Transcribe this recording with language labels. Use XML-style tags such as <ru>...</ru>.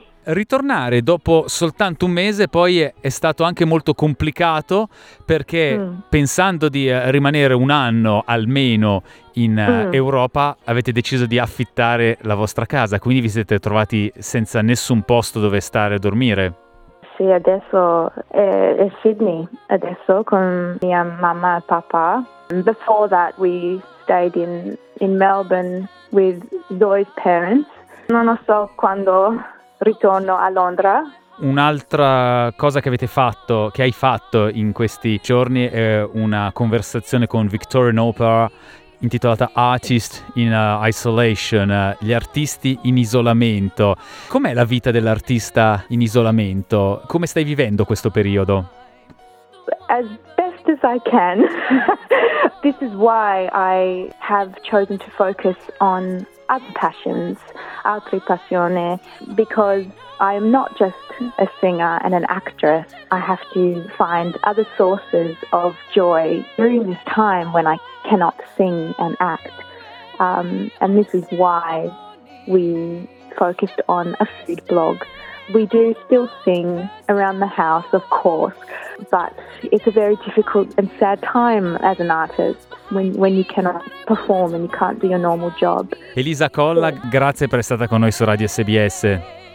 <it>ritornare dopo soltanto un mese poi è stato anche molto complicato, perché pensando di rimanere un anno almeno in Europa, avete deciso di affittare la vostra casa, quindi vi siete trovati senza nessun posto dove stare a dormire. Sì, adesso è Sydney, adesso con mia mamma e papà.</it> <en>Before that we stayed in Melbourne with Zoe's parents.</en> <it>Non lo so quando ritorno a Londra. Un'altra cosa che avete fatto, che hai fatto in questi giorni, è una conversazione con Victorian Opera intitolata Artist in Isolation, gli artisti in isolamento. Com'è la vita dell'artista in isolamento? Come stai vivendo questo periodo?</it> <en>As best as I can. This is why I have chosen to focus on other passions,</en> <it>altre passioni,</it> <en>because I am not just a singer and an actress. I have to find other sources of joy during this time when I cannot sing and act. And this is why we focused on a food blog. We do still sing around the house, of course, but it's a very difficult and sad time as an artist when you cannot perform and you can't do your normal job.</en> <it>Elisa Colla, grazie per essere stata con noi su Radio SBS.</it>